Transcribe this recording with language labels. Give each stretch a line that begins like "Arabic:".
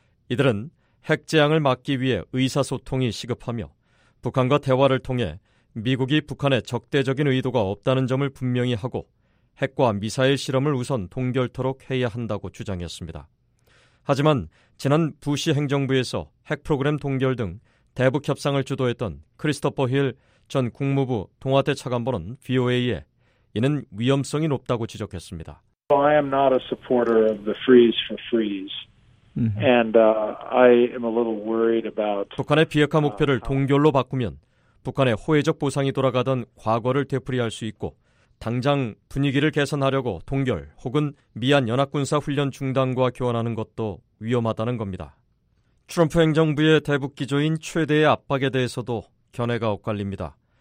Korean: 이들은 핵 재앙을 막기 위해 의사소통이 시급하며 북한과 대화를 통해 미국이 북한에 적대적인 의도가 없다는 점을 분명히 하고 핵과 미사일 실험을 우선 동결토록 해야 한다고 주장했습니다. 하지만 지난 부시 행정부에서 핵 프로그램 동결 등 대북 협상을 주도했던 크리스토퍼 힐 전 국무부 동아태 차관보는 VOA에 이는 위험성이 높다고 지적했습니다.
English: I am not a supporter of the freeze for freeze. And I am a little worried about
Korean: 북한의 비핵화 목표를 동결로 바꾸면 북한의 호혜적 보상이 돌아가던 과거를 되풀이할 수 있고 당장 분위기를 개선하려고 동결 혹은 미한 연합군사 훈련 중단과 교환하는 것도 위험하다는 겁니다. 트럼프 행정부의 대북 기조인 최대의 압박에 대해서도 견해가 엇갈립니다.